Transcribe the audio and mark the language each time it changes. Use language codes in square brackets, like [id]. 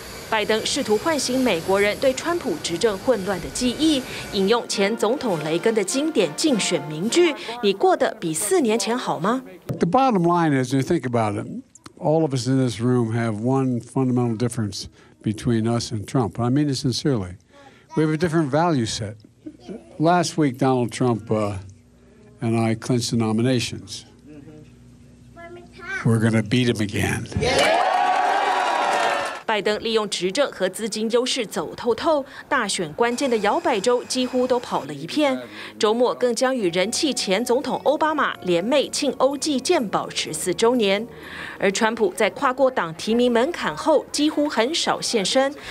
[zh] 拜登试图唤醒美国人对川普执政混乱的记忆，引用前总统雷根的经典竞选名句：“你过得比四年前好吗？” [en] The bottom line is, you think about it, all of us in this room have one fundamental difference between us and Trump. I mean it sincerely. We have a different value set. Last week, Donald Trump and I clinched the nominations. We're going to beat him again. [zh] 拜登利用执政和资金优势走透透，大选关键的摇摆州几乎都跑了一片。周末更将与人气前总统奥巴马联袂庆欧记健保14周年。而川普在跨过党提名门槛后，几乎很少现身。